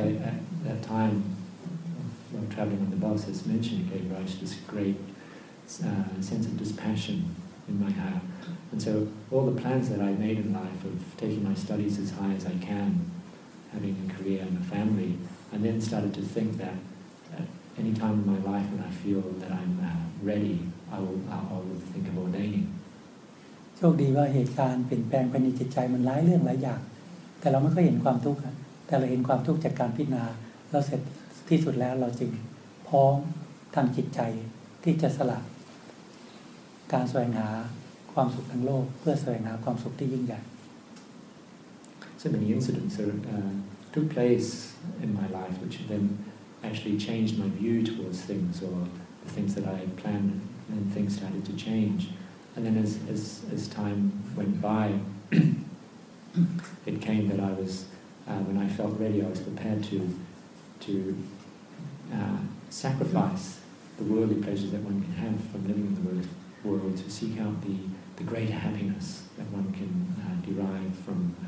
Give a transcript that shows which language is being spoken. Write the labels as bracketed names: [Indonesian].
[English] that time when traveling on the bus as mentioned gave rise to this great sense of dispassion in my heart and so all the plans that I made in life of taking my studies as high as I canhaving a career and a family, and then started to think that at any time in my life when I feel that I'm ready, I will think of ordaining. [Thai] โชคดีว่าเหตุการณ์เปลี่ยนแปลงภายในจิตใจมันหลายเรื่องหลายอย่างแต่เราไม่ค่อยเห็นความทุกข์แต่เราเห็นความทุกข์จากการพิจารณาเราเสร็จที่สุดแล้วเราจึงพร้อมทางจิตใจที่จะสละการแสวงหาความสุขทางโลกเพื่อแสวงหาความสุขที่ยิ่งใหญ่ [English] So many incidents took place in my life, which then actually changed my view towards things, or the things that I had planned, and things started to change. And then, as time went by, it came that I was, when I felt ready, I was prepared to sacrifice the worldly pleasures that one can have from living in the world to seek out the great happiness that one can derive from.